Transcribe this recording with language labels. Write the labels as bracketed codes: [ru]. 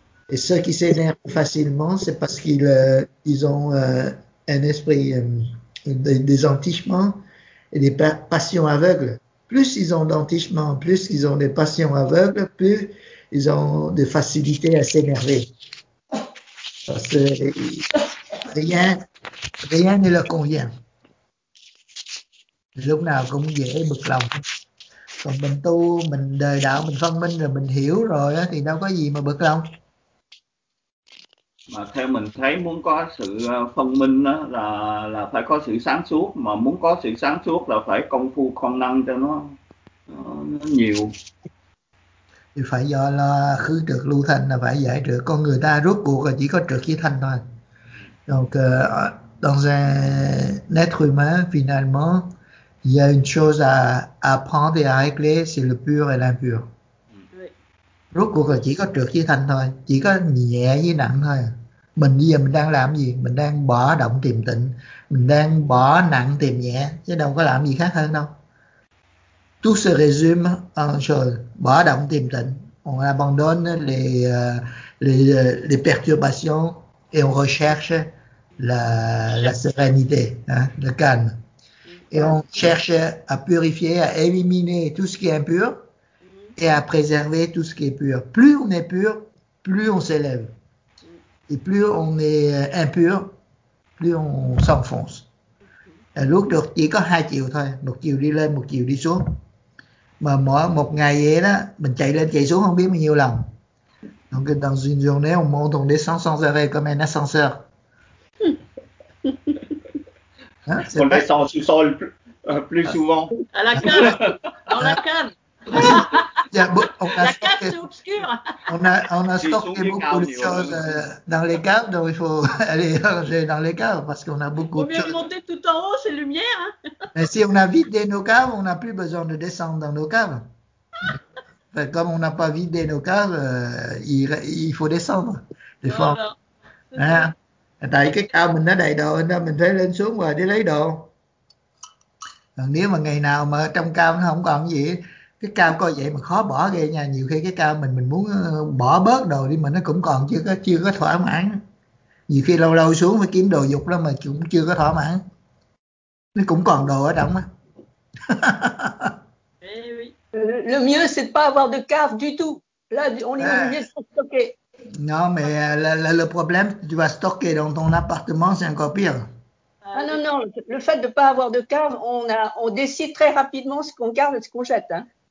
[fr] Et ceux qui s'énervent facilement, c'est parce qu'ils ont un esprit des entichements et des passions aveugles. Plus ils ont d'entichements, plus ils ont des passions aveugles, plus ils ont de facilité à s'énerver. Parce que rien ne leur convient. [vi] Lúc nào cũng dễ bực lòng. Còn mình tu, mình đời đạo, mình phân minh rồi, mình hiểu rồi đó, thì đâu có gì mà bực lòng. Mà theo mình thấy muốn có sự phân minh đó là phải có sự sáng suốt. Mà muốn có sự sáng suốt là phải công phu công năng cho nó nhiều. Thì phải do là khứ trực lưu thanh là phải giải trực. Con người ta rốt cuộc là chỉ có trực với thanh thôi. [fr] Donc, dans un être humain, finalement, il y a une chose à apprendre et à régler, c'est le pur et l'impur. [vi] Rốt cuộc là chỉ có trượt với thanh thôi, chỉ có nhẹ với nặng thôi. Mình bây giờ mình đang làm gì? Mình đang bỏ động tìm tịnh, mình đang bỏ nặng tìm nhẹ, chứ đâu có làm gì khác hơn đâu. [fr] Tout se résume en chose, [vi] bỏ động tìm tịnh. [fr] On abandonne les perturbations et on recherche la sérénité, hein, le calme. Et on cherche à purifier, à éliminer tout ce qui est impur, et à préserver tout ce qui est pur. Plus on est pur, plus on s'élève. Et plus on est impur, plus on s'enfonce. Et [vi] lúc được chỉ có hai chiều thôi, một chiều đi lên, một chiều đi xuống. Mà mỗi một ngày vậy đó, mình chạy lên chạy xuống không biết bao nhiêu lần. [fr] Donc dans une journée, on monte, on descend sans arrêt comme un ascenseur. On descend sous sol plus souvent. À la cave, dans la cave. On a stocké beaucoup de choses dans les caves, donc il faut aller dans les caves parce qu'on a beaucoup de choses. Il faut mieux monter tout en haut, c'est lumière. Hein. Mais si on a vidé nos caves, on n'a plus besoin de descendre dans nos caves. Enfin, comme on n'a pas vidé nos caves, il faut descendre. Des fois. Voilà. [vi] Tại cái cave mình nó đầy đồ, mình phải lên xuống rồi đi lấy đồ. Nếu mà ngày nào mà trong cave nó không còn gì. Cái cao coi vậy mà khó bỏ ghê nha, nhiều khi cái cao mình muốn bỏ bớt đồ đi mà nó cũng còn chưa có thỏa mãn. Nhiều khi lâu lâu xuống phải kiếm đồ dục đó mà cũng chưa có thỏa mãn. Nó cũng còn đồ ở trong á. [fr] Le mieux c'est de pas avoir de cave du tout. Là on est obligé de stocker. Non mais le problème, tu vas stocker dans ton appartement, c'est encore pire. Ah Ah non, non, le fait de ne pas avoir de cave, on décide très rapidement ce qu'on garde et ce qu'on jette. Hein.